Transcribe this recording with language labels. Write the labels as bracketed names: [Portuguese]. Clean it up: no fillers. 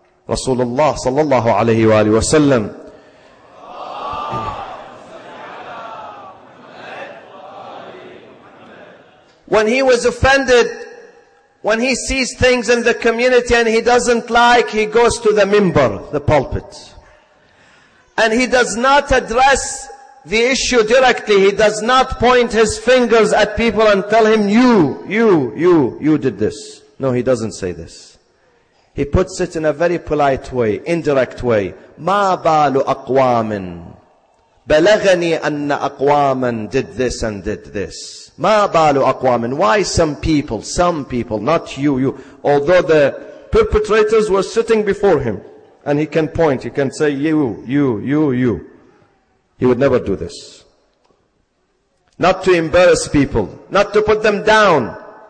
[English] Rasulullah sallallahu alayhi wa alayhi wa sallam, when he was offended, when he sees things in the community and he doesn't like, he goes to the minbar, the pulpit. And he does not address the issue directly. He does not point his fingers at people and tell him, you did this. No, he doesn't say this. He puts it in a very polite way, indirect way. [Arabic] مَا بَالُ أَقْوَامٍ بَلَغَنِي أَنَّ أَقْوَامًا [English] did this and did this. [Arabic] مَا بَالُ أَقْوَامٍ [English] Why some people, not you. Although the perpetrators were sitting before him. And he can point, he can say, you. He would never do this. Not to embarrass people, not to put them down.